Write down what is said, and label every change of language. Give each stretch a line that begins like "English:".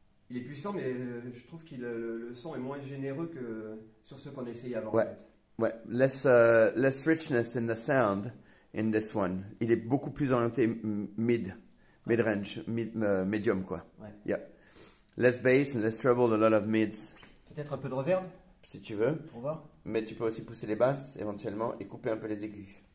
French: Il est puissant, mais je trouve que le son est moins généreux que sur ce qu'on a essayé avant. Ouais, en fait. Ouais.
English: Less richness in the sound in this one.
French: Il est beaucoup plus orienté mid-range, medium, quoi. Ouais.
English: Yeah. Less bass and less treble, a lot of mids.
French: Peut-être un peu de reverb. Si tu veux. Pour voir. Mais tu peux aussi pousser les basses éventuellement et couper un peu les aigus.